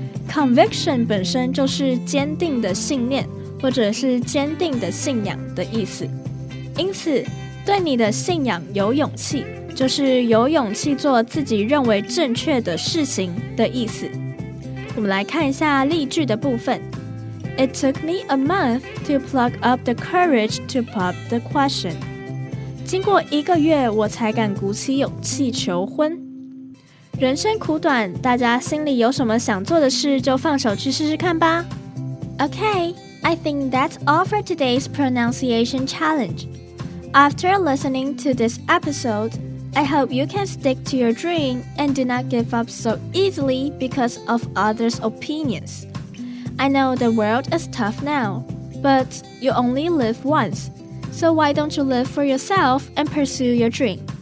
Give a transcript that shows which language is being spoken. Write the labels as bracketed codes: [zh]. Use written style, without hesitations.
[zh] Conviction 本身就是坚定的信念或者是坚定的信仰的意思，因此对你的信仰有勇气就是有勇气做自己认为正确的事情的意思。我们来看一下例句的部分。 [en] It took me a month to pluck up the courage to pop the question. [zh] 经过一个月，我才敢鼓起勇气求婚。人生苦短，大家心里有什么想做的事，就放手去试试看吧。 [en] Okay, I think that's all for today's pronunciation challenge. After listening to this episode, I hope you can stick to your dream and do not give up so easily because of others' opinions. I know the world is tough now, but you only live once, so why don't you live for yourself and pursue your dream?